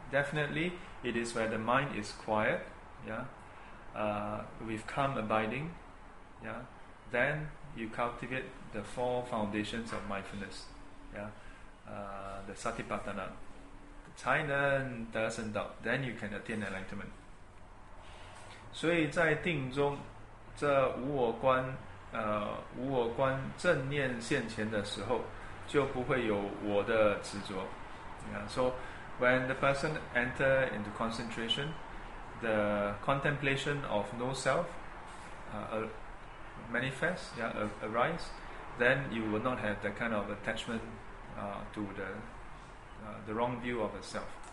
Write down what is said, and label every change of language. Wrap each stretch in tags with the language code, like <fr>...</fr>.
<en>Definitely, it is where the mind is quiet, yeah, with calm abiding, yeah. Then you cultivate the 4 foundations of mindfulness, yeah, the satipatthana,</en> <zh>才能得生道,</zh> <en>then you can attain enlightenment.</en> <zh>所以在定中, 这无我观, 无我观正念现前的时候, 就不会有我的执着, yeah.</zh> <en>So when the person enter into concentration, the contemplation of no self, manifest, yeah, arise, then you will not have that kind of attachment to the wrong view of yourself.</en>